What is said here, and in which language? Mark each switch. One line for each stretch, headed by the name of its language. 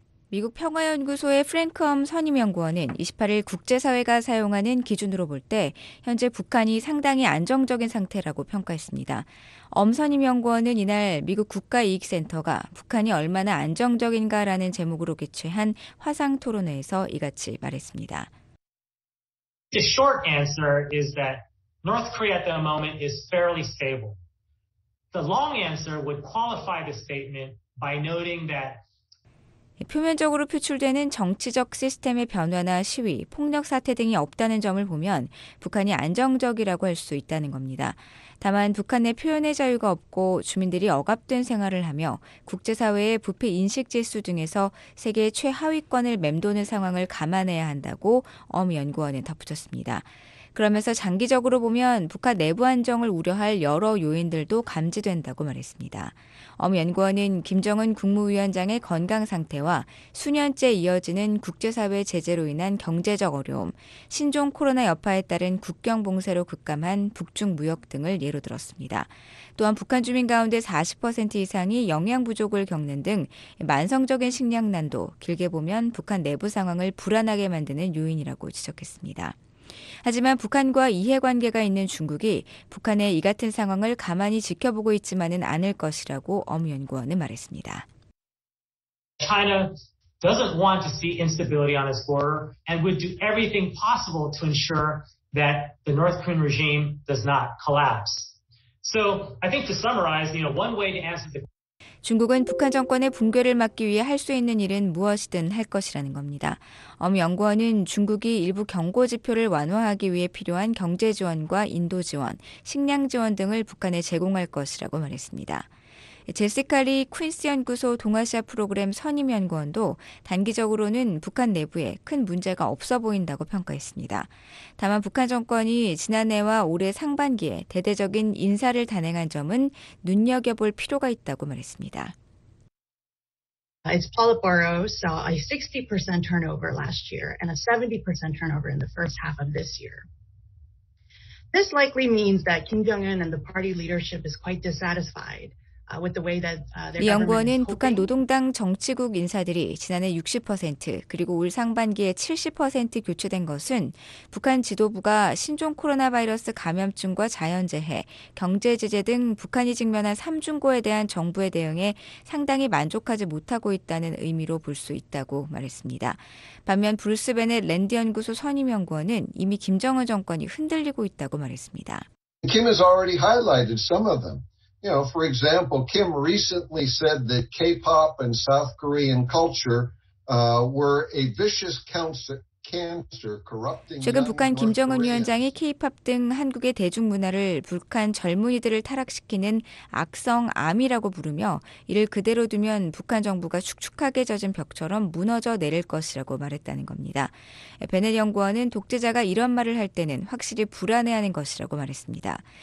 Korean: 미국 평화연구소의 프랭크 엄 선임연구원은 28일 국제사회가 사용하는 기준으로 볼 때 현재 북한이 상당히 안정적인 상태라고 평가했습니다. 엄 선임연구원은 이날 미국 국가이익센터가 북한이 얼마나 안정적인가라는 제목으로 개최한 화상토론회에서 이같이 말했습니다.
English: The short answer is that North Korea at the moment is fairly stable. The long answer would qualify the statement by noting that
Korean: 표면적으로 표출되는 정치적 시스템의 변화나 시위, 폭력 사태 등이 없다는 점을 보면 북한이 안정적이라고 할 수 있다는 겁니다. 다만 북한의 표현의 자유가 없고 주민들이 억압된 생활을 하며 국제사회의 부패 인식 지수 등에서 세계 최하위권을 맴도는 상황을 감안해야 한다고 엄 연구원은 덧붙였습니다. 그러면서 장기적으로 보면 북한 내부 안정을 우려할 여러 요인들도 감지된다고 말했습니다. 엄 연구원은 김정은 국무위원장의 건강 상태와 수년째 이어지는 국제사회 제재로 인한 경제적 어려움, 신종 코로나 여파에 따른 국경 봉쇄로 급감한 북중 무역 등을 예로 들었습니다. 또한 북한 주민 가운데 40% 이상이 영양 부족을 겪는 등 만성적인 식량난도, 길게 보면 북한 내부 상황을 불안하게 만드는 요인이라고 지적했습니다. 하지만 북한과 이해관계가 있는 중국이 북한의 이 같은 상황을 가만히 지켜보고 있지만은 않을 것이라고 엄 연구원은 말했습니다.
English: China doesn't want to see instability on its border and would do everything possible to ensure that the North Korean regime does not collapse. So I think to summarize, you know, one way to answer the
Korean: 중국은 북한 정권의 붕괴를 막기 위해 할 수 있는 일은 무엇이든 할 것이라는 겁니다. 엄 연구원은 중국이 일부 경고 지표를 완화하기 위해 필요한 경제 지원과 인도 지원, 식량 지원 등을 북한에 제공할 것이라고 말했습니다. 제시카 리 퀸스 연구소 동아시아 프로그램 선임 연구원도 단기적으로는 북한 내부에 큰 문제가 없어 보인다고 평가했습니다. 다만 북한 정권이 지난해와 올해 상반기에 대대적인 인사를 단행한 점은 눈여겨볼 필요가 있다고 말했습니다.
English: Its Politburo saw a 60% turnover last year and a 70% turnover in the first half of this year. This likely means that Kim Jong-un and the party leadership is quite dissatisfied.
Korean: 이 연구원은 북한 노동당 정치국 인사들이 지난해 60% 그리고 올 상반기에 70% 교체된 것은 북한 지도부가 신종 코로나 바이러스 감염증과 자연재해, 경제 제재 등 북한이 직면한 삼중고에 대한 정부의 대응에 상당히 만족하지 못하고 있다는 의미로 볼 수 있다고 말했습니다. 반면 브루스 베넷 랜드 연구소 선임 연구원은 이미 김정은 정권이 흔들리고 있다고 말했습니다.
English: Kim has already highlighted some of them. You know, for example, Kim recently said that K-pop and South Korean culture were a vicious cancer corrupting.
Korean: 최근 북한 김정은 위원장이 K-pop 등 한국의 대중문화를 북한 젊은이들을 타락시키는 악성 암이라고 부르며 이를 그대로 두면 북한 정부가 축축하게 젖은 벽처럼 무너져 내릴 것이라고 말했다는 겁니다. 베넷 연구원은 독재자가 이런 말을 할 때는 확실히 불안해하는 것이라고 말했습니다.